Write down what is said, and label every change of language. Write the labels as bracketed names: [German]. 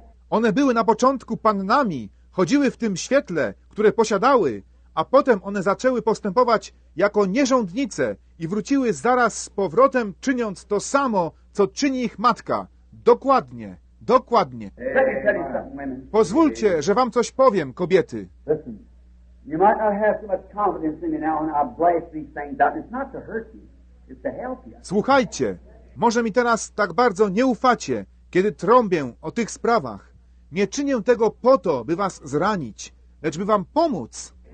[Polish] One były na początku pannami, chodziły w tym świetle, które posiadały, a potem one zaczęły postępować jako nierządnice i wróciły zaraz z powrotem, czyniąc to samo, co czyni ich matka. Dokładnie, dokładnie. Pozwólcie, że wam coś powiem, kobiety. [English] You might not have so much confidence in me now, and I blast these things out. It's not to hurt you, it's to help you. [Polish] Słuchajcie. Może mi teraz tak bardzo nie ufacie, kiedy trąbię o tych sprawach. Nie czynię tego po to, by was zranić, lecz by wam pomóc.